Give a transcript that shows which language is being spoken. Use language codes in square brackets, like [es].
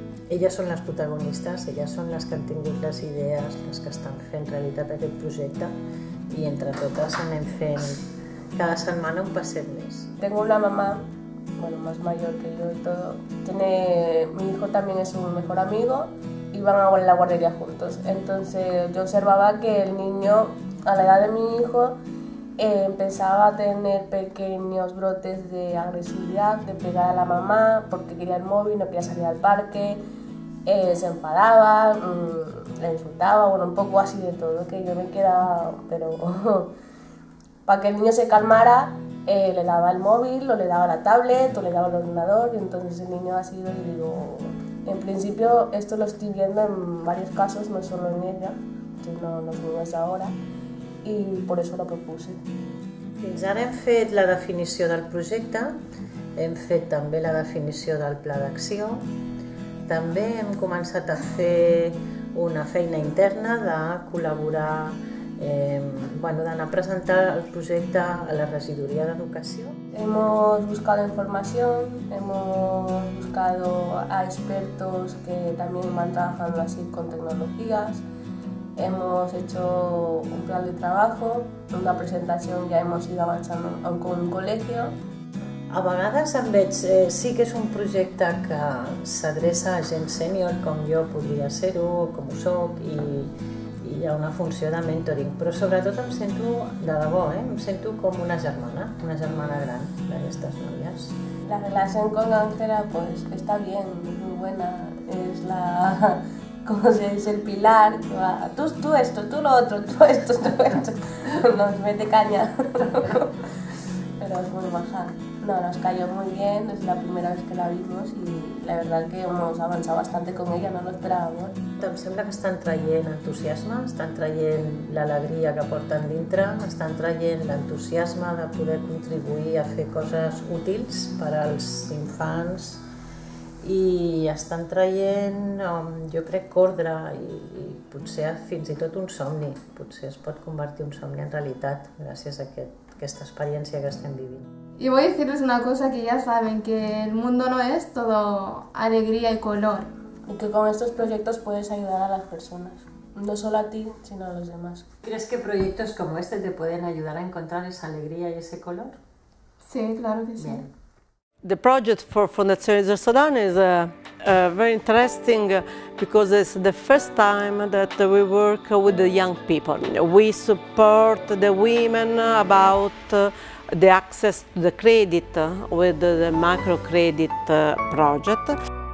[ca] Elles són les protagonistes, elles són les que han tingut les idees, les que estan fent realitat aquest projecte, i entre totes anem fent cada setmana un passet més. [es] Tengo una mamá, bueno, más mayor que yo y todo. Tiene, mi hijo también es un mejor amigo y van a la guardería juntos. Entonces yo observaba que el niño, a la edad de mi hijo, empezaba a tener pequeños brotes de agresividad, de pegar a la mamá porque quería el móvil, no quería salir al parque, se enfadaba, la insultaba, bueno, un poco así de todo, que yo me quedaba, pero para que el niño se calmara, le daba el móvil, o le daba la tablet, o le daba el ordenador, y entonces el niño ha sido, y digo, en principio esto lo estoy viendo en varios casos, no solo en ella, sino en los niños ahora. [ca] I per això la propuse. Fins ara hem fet la definició del projecte, hem fet també la definició del pla d'acció, també hem començat a fer una feina interna de col·laborar, bueno, d'anar a presentar el projecte a la regidoria d'educació. [es] Hemos buscado información, hemos buscado a expertos que también van trabajando así con tecnologías. Hemos hecho un plan de trabajo, una presentación, ya hemos ido avanzando con un colegio. [ca] A vegades em veig, sí que és un projecte que s'adreça a gent sènior, com jo podria ser-ho, com ho soc, i hi ha una funció de mentoring, però sobretot em sento, de debò, em sento com una germana gran d'aquestes noies. [es] La relación con Ángela, pues, está bien, muy buena, es la... Como se dice, el pilar, que va, tú esto, tú lo otro, tú esto, nos mete caña, pero es muy baja. No, nos cayó muy bien, es la primera vez que la vimos y la verdad que hemos avanzado bastante con ella, no lo esperábamos. [ca] Em sembla que estan traient entusiasme, estan traient l'alegria que porten dintre, estan traient l'entusiasme de poder contribuir a fer coses útils per als infants, i estan traient, jo crec, ordre i potser fins i tot un somni. Potser es pot convertir un somni en realitat gràcies a aquesta experiència que estem vivint. [es] Y voy a decirles una cosa que ya saben, que el mundo no es todo alegría y color. Y que con estos proyectos puedes ayudar a las personas. No solo a ti, sino a los demás. ¿Crees que proyectos como este te pueden ayudar a encontrar esa alegría y ese color? Sí, claro que sí. Bien. [en] The project for Fondazione Gersodana is very interesting because it's the first time that we work with the young people. We support the women about the access to the credit with the microcredit project.